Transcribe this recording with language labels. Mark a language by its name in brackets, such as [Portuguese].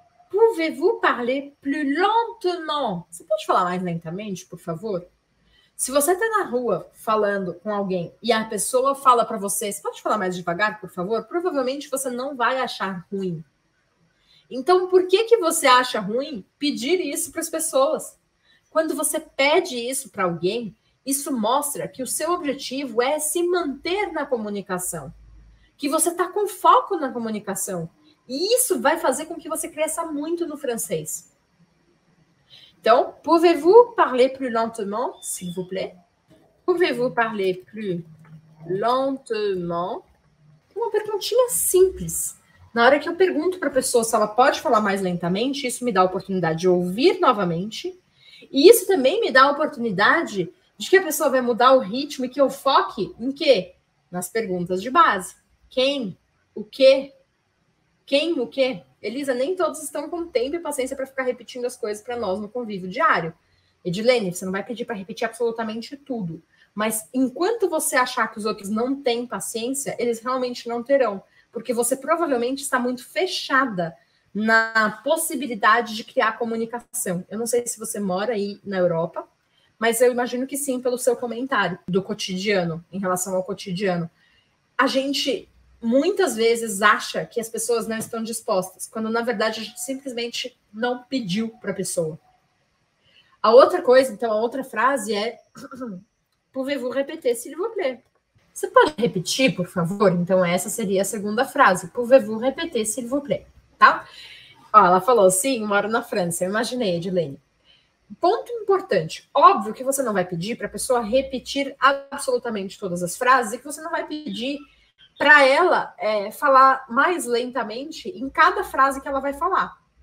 [French] "Pouvez-vous parler plus lentement?" [Portuguese] Você pode falar mais lentamente, por favor? Se você está na rua falando com alguém e a pessoa fala para você, você pode falar mais devagar, por favor? Provavelmente você não vai achar ruim. Então, por que que você acha ruim pedir isso para as pessoas? Quando você pede isso para alguém, isso mostra que o seu objetivo é se manter na comunicação. Que você está com foco na comunicação. E isso vai fazer com que você cresça muito no francês. [French] Então, pouvez-vous parler plus lentement, s'il vous plaît? Pouvez-vous parler plus lentement? [Portuguese] Uma perguntinha simples. Na hora que eu pergunto para a pessoa se ela pode falar mais lentamente, isso me dá a oportunidade de ouvir novamente. E isso também me dá a oportunidade de que a pessoa vai mudar o ritmo e que eu foque em quê? Nas perguntas de base. Quem? O quê? Quem, o quê? Elisa, nem todos estão com tempo e paciência para ficar repetindo as coisas para nós no convívio diário. Edilene, você não vai pedir para repetir absolutamente tudo. Mas enquanto você achar que os outros não têm paciência, eles realmente não terão. Porque você provavelmente está muito fechada na possibilidade de criar comunicação. Eu não sei se você mora aí na Europa, mas eu imagino que sim, pelo seu comentário do cotidiano, em relação ao cotidiano. A gente muitas vezes acha que as pessoas não estão dispostas, quando na verdade a gente simplesmente não pediu para a pessoa. A outra coisa, então, a outra frase é: [French] "Pouvez-vous répéter, s'il vous plaît?" [Portuguese] Você pode repetir, por favor? Então, essa seria a segunda frase: [French] "Pouvez-vous répéter, s'il vous plaît?" [Portuguese] Tá? Ó, ela falou: "Sim, moro na França." Eu imaginei, Edilene. Ponto importante: óbvio que você não vai pedir para a pessoa repetir absolutamente todas as frases e que você não vai pedir para ela falar mais lentamente em cada frase que ela vai falar.